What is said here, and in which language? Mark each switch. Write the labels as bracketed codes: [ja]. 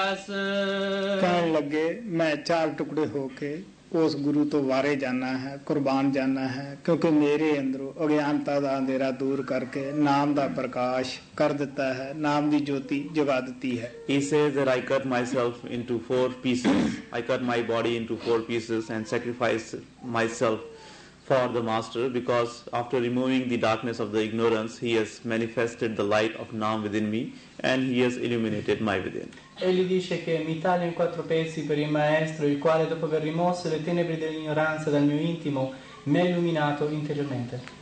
[pa] ਮੈਂ ਚਾਰ ਟੁਕੜੇ ਹੋ ਕੇ ਉਸ ਗੁਰੂ ਤੋਂ ਵਾਰੇ ਜਾਣਾ ਹੈ, ਕੁਰਬਾਨ ਜਾਣਾ ਹੈ, ਕਿਉਂਕਿ ਮੇਰੇ ਅੰਦਰੋਂ ਅਗਿਆਨਤਾ ਦਾ ਅੰਧੇਰਾ ਦੂਰ ਕਰਕੇ ਨਾਮ ਦਾ ਪ੍ਰਕਾਸ਼ ਕਰ ਦਿੱਤਾ ਹੈ, ਨਾਮ ਦੀ ਜੋਤੀ ਜਗਾ ਦਿੱਤੀ ਹੈ। [en] He says that I cut myself into four pieces. I cut my body into four pieces and sacrificed myself for the master because after removing the darkness of the ignorance, he has manifested the light of Naam within me and he has illuminated my within. [it] Egli dice che mi taglio in quattro pezzi per il maestro, il quale dopo aver rimosso le tenebre dell'ignoranza dal mio intimo, mi ha illuminato interiormente.